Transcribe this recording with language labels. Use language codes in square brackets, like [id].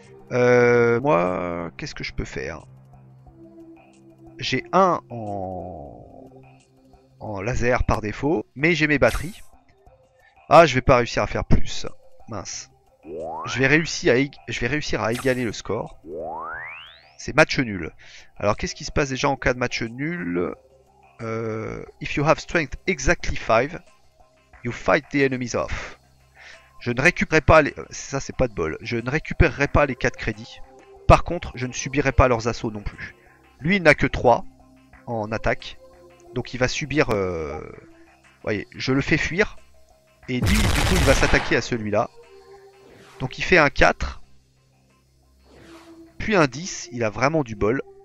[fr] Moi, qu'est-ce que je peux faire? J'ai un en laser par défaut, mais j'ai mes batteries. Ah, je vais pas réussir à faire plus. Mince. Je vais réussir à égaler le score. C'est match nul. Alors, qu'est-ce qui se passe déjà en cas de match nul? [en] If you have strength exactly 5, you fight the enemies off. [fr] Je ne récupérerai pas les... Ça, c'est pas de bol. Je ne récupérerai pas les 4 crédits. Par contre, je ne subirai pas leurs assauts non plus. Lui, il n'a que 3 en attaque. Donc, il va subir... voyez, je le fais fuir. Et lui, du coup, il va s'attaquer à celui-là. Donc, il fait un 4. Puis un 10. Il a vraiment du bol.